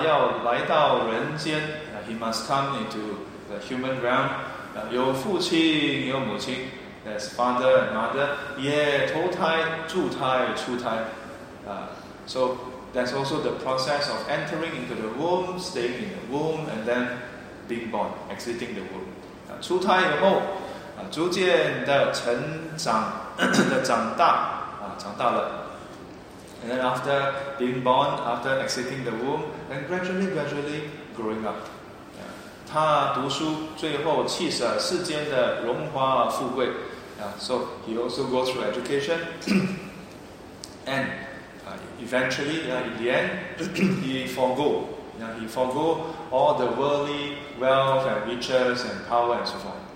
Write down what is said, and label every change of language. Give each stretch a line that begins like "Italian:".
Chinese: 他要来到人间,
English: he must come into the human realm.
Chinese: 有父亲有母亲,
English: there's father and mother,
Chinese: yeah, 投胎, 住胎, 出胎.
English: So that's also the process of entering into the womb, staying in the womb, and then being born, exiting the womb.
Chinese: 出胎以后, 逐渐的成长, 长大, 长大了.
English: And then after being born, after exiting the womb, then gradually growing up.
Chinese: 他读书, 最后弃舍世间的荣华富贵.
English: So he also goes through education, and eventually, in the end, he forgo all the worldly wealth and riches and power and so forth.